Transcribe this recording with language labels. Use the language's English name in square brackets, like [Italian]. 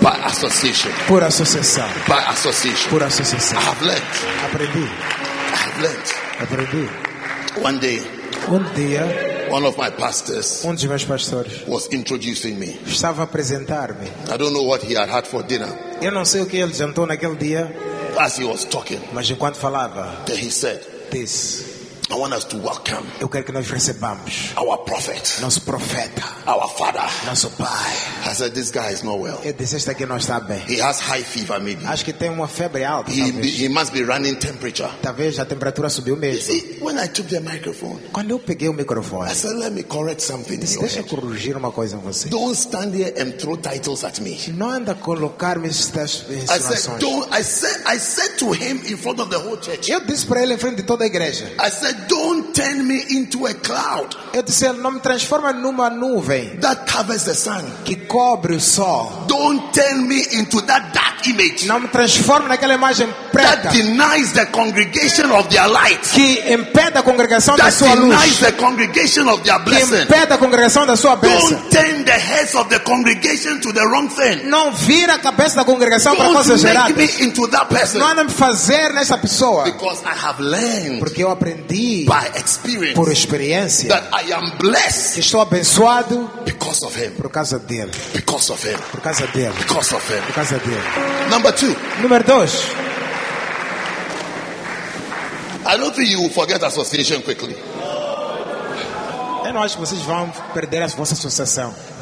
[English] By association. [Portuguese] Por associação. [English] By association. [Portuguese] Por associação. [English] I have learned. [Portuguese] Aprendi. Aprendi. [English] One day, [Portuguese] um dia, [English] one of my pastors, [Portuguese] um dos meus pastores, [English] was introducing me. [Portuguese] Estava a apresentar-me. [English] I don't know what he had for dinner. [Portuguese] Eu não sei o que ele jantou naquele dia. [English] As he was talking, [Portuguese] mas enquanto falava, [English] then he said, this, I want us to welcome. [Portuguese] Eu quero que nós recebamos [English] our prophet, [Portuguese] nosso profeta, [English] our father, [Portuguese] nosso pai. [English] I said this guy is not well. [Portuguese] Ele disse que não está bem. [English] He has high fever maybe. [Portuguese] Acho que tem uma febre alta. [English] He must be running temperature. [Portuguese] Talvez a temperatura subiu mesmo. [English] You see, when I took the microphone, [Portuguese] quando eu peguei o microfone, [English] I said let me correct something. [Portuguese] Disse, deixa eu corrigir uma coisa em você. [English] Don't stand here and throw titles at me. [Portuguese] Não anda a colocar-me estas insinuações. [English] I said to him in front of the whole church. [Portuguese] Eu disse para ele em frente de toda a igreja. [English] I said, don't turn me into a cloud. [Portuguese] Eu disse, não me transforma numa nuvem [English] that covers the sun. [Portuguese] Que cobre o sol. [English] Don't Don't turn me into that dark image. [Portuguese] Não me transforme naquela imagem preta. [English] That denies the congregation of their light. [Portuguese] Que impede a congregação [English] that [Portuguese] da sua luz. [English] That denies the congregation of their blessing. [Portuguese] Que impede a congregação da sua bênção. [English] Don't turn the heads of the congregation to the wrong thing. [Portuguese] Não vire a cabeça da congregação [English] don't [Portuguese] para coisas erradas. [English] Don't make me into that person. [Portuguese] Não me fazer nessa pessoa. [English] Because I have learned. [Portuguese] Porque eu aprendi. [English] By experience. [Portuguese] Por experiência. [English] That I am blessed. [Portuguese] Que estou abençoado. [English] Because of him. [Portuguese] Por causa dele. [English] Because of him. [Portuguese] Por causa dele. [English] Because of him. [Portuguese] Por causa dele. [English] Number two. [Portuguese] Número dois. [English] I don't think you will forget association quickly. [Portuguese] Eu não acho que vocês vão perder a vossa associação.